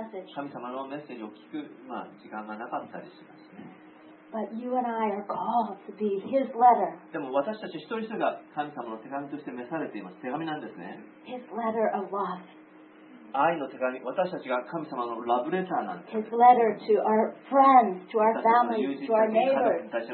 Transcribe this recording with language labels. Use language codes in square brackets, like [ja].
[ja] 神様のメッセージを聞く、まあ、時間がなかったりしますね。 [en] But you and I are called to be His letter. [ja] でも私たち一人一人が神様の手紙として召されています。手紙なんですね。 [en] His letter of love. [ja] 愛の手紙、私たちが神様のラブレターなんです。 [en] His letter to our friends, to our family, to our neighbors.